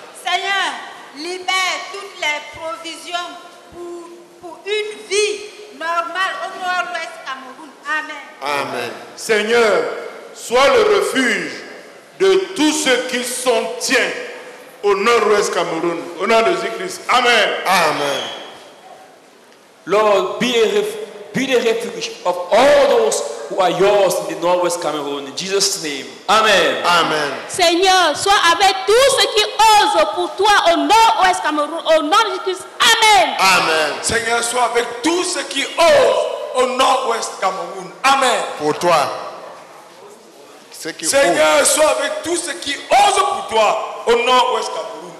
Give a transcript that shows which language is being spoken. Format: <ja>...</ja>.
<fr>Seigneur, libère toutes les provisions pour une vie normale au nord-ouest Cameroun. Amen. Amen. Seigneur, sois le refuge de tous ceux qui sont tiens au nord-ouest Cameroun, au nom de Jésus-Christ. Amen. Amen.</fr> <en>Lord, be the refuge of all those who are yours in the nord-ouest Cameroon. In Jesus' name. Amen. Amen.</en> <fr>Seigneur, sois avec tous ceux qui osent pour toi au nord-ouest Cameroun, au nom de Jésus-Christ. Amen. Amen. Seigneur, sois avec tous ceux qui osent au nord-ouest Cameroun. Amen. Pour toi. Seigneur, sois avec tous ceux qui osent pour toi au nord-ouest Cameroun.</fr>